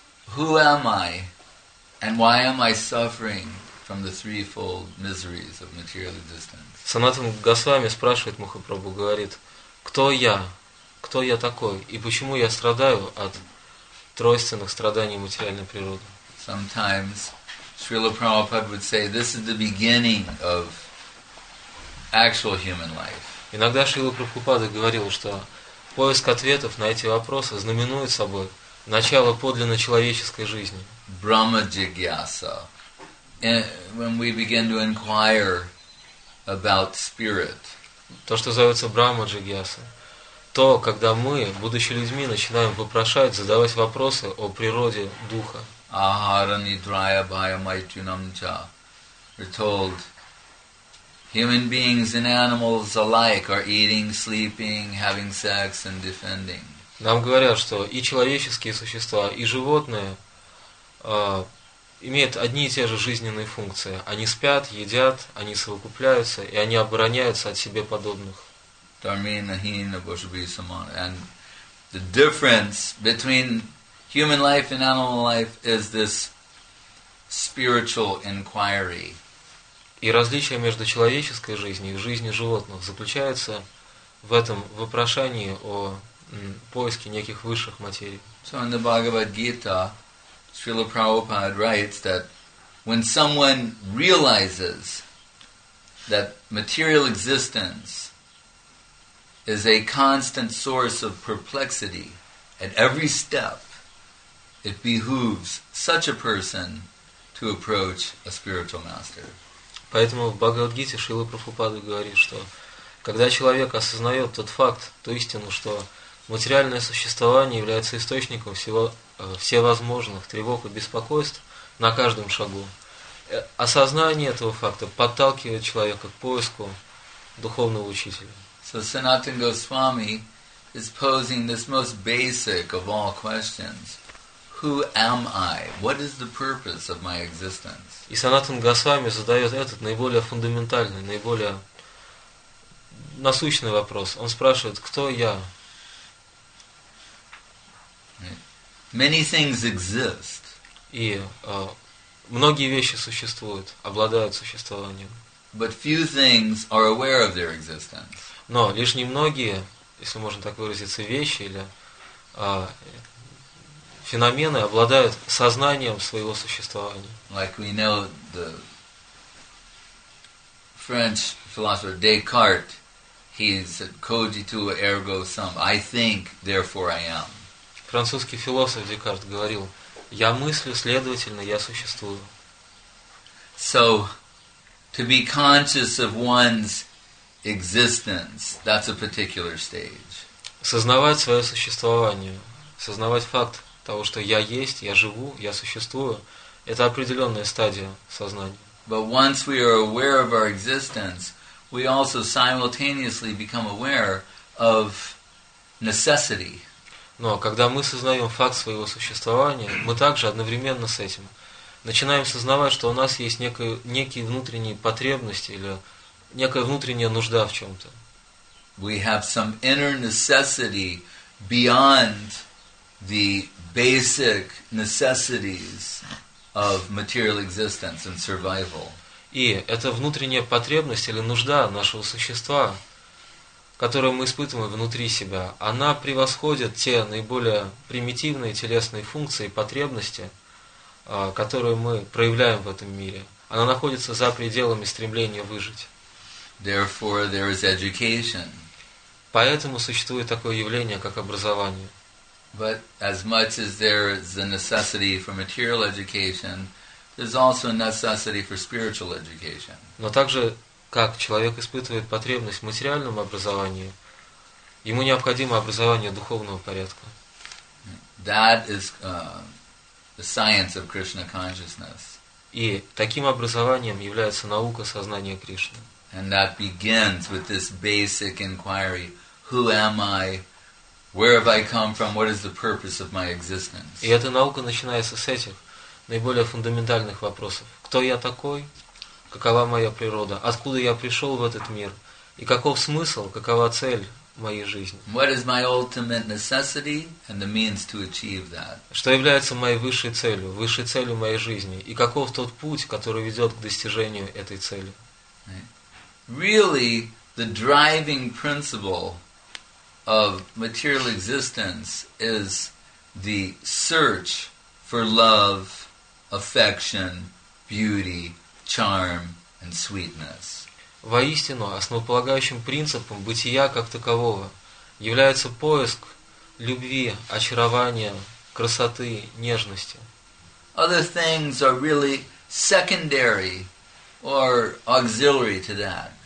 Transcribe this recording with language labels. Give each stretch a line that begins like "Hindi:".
English: Who am I and why am I suffering from the threefold miseries of material existence?
Russian: Санатан Госвами спрашивает Махапрабху, говорит, кто я такой, и почему я страдаю от тройственных страданий материальной природы.
English: Sometimes Srila Prabhupada would say, this is the beginning of actual human life.
Russian: Иногда Шрила Прабхупада говорил, что поиск ответов на эти вопросы знаменует собой начало подлинно человеческой жизни.
English: Brahma jigyasa. When we begin to inquire about spirit.
Russian: То, что называется Брахма Джигьяса. То, когда мы, будучи людьми, начинаем вопрошать, задавать вопросы о природе духа.
Sanskrit: Ахара нидрая бая майтюнам ча.
English: We're told, human beings and animals alike are eating, sleeping, having sex and defending.
Russian: Нам говорят, что и человеческие существа, и животные имеют одни и те же жизненные функции. Они спят, едят, они совокупляются, и они обороняются от себе подобных.
English: And the difference between human life and animal life is this spiritual inquiry.
Russian: И различие между человеческой жизнью и жизнью животных заключается в этом вопрошении о поиске неких высших материй.
English: So in the Bhagavad Gita, Srila Prabhupada writes that when someone realizes that material existence is a constant source of perplexity at every step, it behooves such a person to approach a spiritual master.
Russian: Поэтому в Бхагавад-гите Шрила Прабхупада говорит, что когда человек осознает тот факт, ту истину, что материальное существование является источником всего всевозможных тревог и беспокойств на каждом шагу. Осознание этого факта подталкивает человека к поиску духовного учителя.
English: So Sanatan Goswami is posing this most basic of all questions. Who am I? What is the purpose of my existence?
Russian: И Санатан Госвами задает этот наиболее фундаментальный, наиболее насущный вопрос. Он спрашивает, кто я?
English: Many things exist.
Russian: И многие вещи существуют, обладают существованием.
English: But few things are aware of their existence.
Russian: Но лишь немногие, если можно так выразиться, вещи или феномены обладают сознанием своего существования.
English: Like we know the French philosopher Descartes, he said,
Latin: "Cogito ergo sum."
English: I think, therefore I am.
Russian: Французский философ Декарт говорил: «Я мыслю, следовательно, я существую».
English: So, to be conscious of one's existence, that's a particular stage.
Russian: Сознавать свое существование, сознавать факт того, что я есть, я живу, я существую, это определенная стадия сознания.
English: But once we are aware of our existence, we also simultaneously become aware of necessity.
Russian: Но когда мы сознаем факт своего существования, мы также одновременно с этим начинаем сознавать, что у нас есть некие внутренние потребности или некая внутренняя нужда в чем-то.
English: We have some inner necessity beyond the basic necessities of material existence and survival.
Russian: И это внутренняя потребность или нужда нашего существа, которую мы испытываем внутри себя, она превосходит те наиболее примитивные телесные функции и потребности, которые мы проявляем в этом мире. Она находится за пределами стремления выжить.
English: Therefore, there is education.
Russian: Поэтому существует такое явление, как образование.
English: But as much as there is a necessity for material education, there's also a necessity for spiritual education.
Russian: Но также, как человек испытывает потребность в материальном образовании, ему необходимо образование духовного порядка.
English: That is the science of Krishna consciousness.
Russian: И таким образованием является наука сознания Кришны.
English: And that begins with this basic inquiry: Who am I? Where have I come from? What is the purpose of my existence?
Russian: И эта наука начинается с этих наиболее фундаментальных вопросов: Кто я такой? Какова моя природа? Откуда я пришел в этот мир? И каков смысл? Какова цель моей жизни?
English: What is my ultimate necessity and the means to achieve that?
Russian: Что является моей высшей целью моей жизни? И каков тот путь, который ведет к достижению этой цели?
English: Really, the driving principle of material existence is the search for love, affection, beauty, charm, and sweetness.
Russian: Воистину, основополагающим принципом бытия как такового является поиск любви, очарования, красоты, нежности.
English: Other things are really secondary or auxiliary to that.